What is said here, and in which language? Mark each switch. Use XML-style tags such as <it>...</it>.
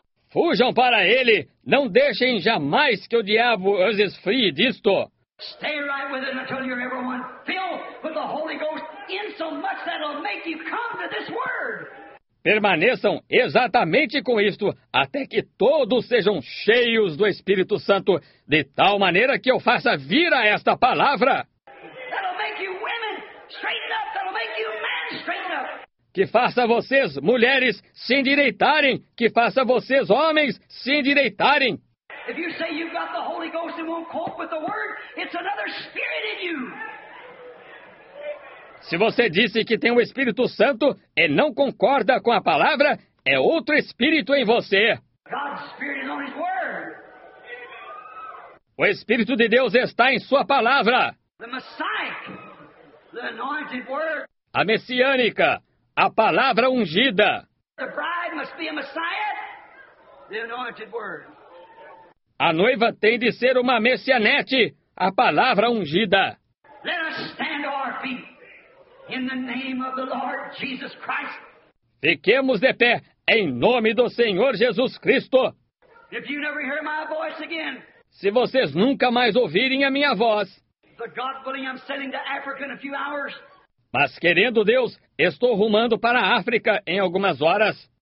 <pt>Fujam para Ele. Não deixem jamais que o diabo os esfrie disto.</pt> <en>Stay right with it until you're everyone filled with the Holy Ghost in so much that it'll make you come to this word.</en> <pt>Permaneçam exatamente com isto até que todos sejam cheios do Espírito Santo de tal maneira que eu faça vir a esta palavra.</pt> <en>That'll make you women straighten up. That'll make you men straighten up.</en> <pt>Que faça vocês, mulheres, se endireitarem. Que faça vocês, homens, se endireitarem.</pt> <en>If you say you've got the Holy Ghost and won't cope with the word, it's another spirit in you.</en> <pt>Se você disse que tem o Espírito Santo e não concorda com a palavra, é outro espírito em você.</pt> <en>God's spirit is on his word.</en> <pt>O Espírito de Deus está em sua palavra.</pt> <en>The Messiah, the anointed word.</en> <pt>A messiânica, a palavra ungida.</pt> <en>The bride must be a Messiah, the anointed word.</en> <pt>A noiva tem de ser uma messianete, a palavra ungida.</pt> <en>Let us stand on our feet in the name of the Lord Jesus Christ.</en> <pt>Fiquemos de pé em nome do Senhor Jesus Cristo.</pt> <en>If you never hear my voice again,</en> <pt>se vocês nunca mais ouvirem a minha voz,</pt> <en>but God willing, I'm sailing to Africa in a few hours.</en> <pt>Mas querendo Deus, estou rumando para a África em algumas horas.</pt>